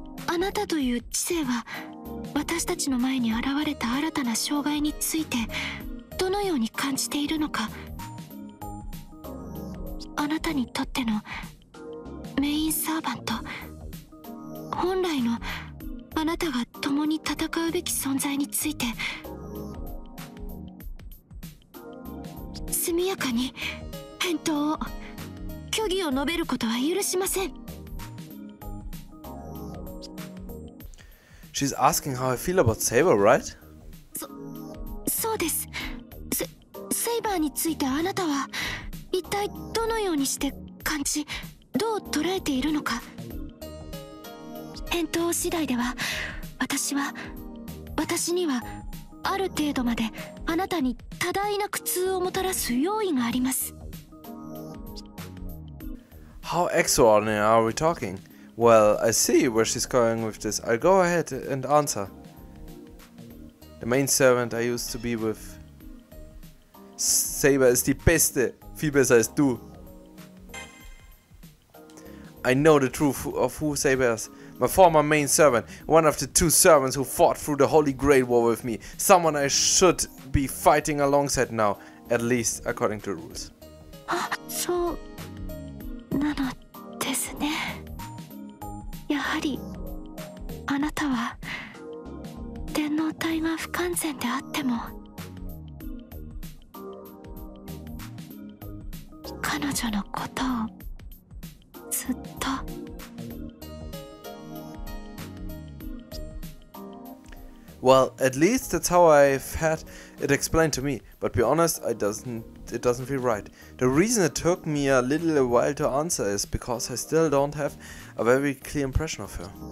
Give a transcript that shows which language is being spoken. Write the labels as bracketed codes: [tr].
[ja] あなたという知性は私たちの前に現れた新たな障害についてどのように感じているのか、あなたにとってのメインサーバント、本来のあなたが共に戦うべき存在について、速やかに返答を、虚偽を述べることは許しません。 [en] She's asking how I feel about Saber, right? [ja] そうです。セイバーについてあなたは一体どのようにして感じ、どう捉えているのか。返答次第では、私にはある程度まであなたに多大な苦痛をもたらす用意があります。 [en] How extraordinary are we talking? Well, I see where she's going with this. I'll go ahead and answer. The main servant I used to be with. [de] Saber ist die Beste, viel besser als du. [en] I know the truth of who Saber is. My former main servant, one of the two servants who fought through the Holy Grail War with me. Someone I should be fighting alongside now, at least according to the rules. [ja] So, なのですね。やはりあなたは電脳体が不完全であっても彼女のことをずっと。 [en] Well, at least that's how I've had it explained to me. But be honest, it doesn't feel right. The reason it took me a little while to answer is because I still don't have a very clear impression of her.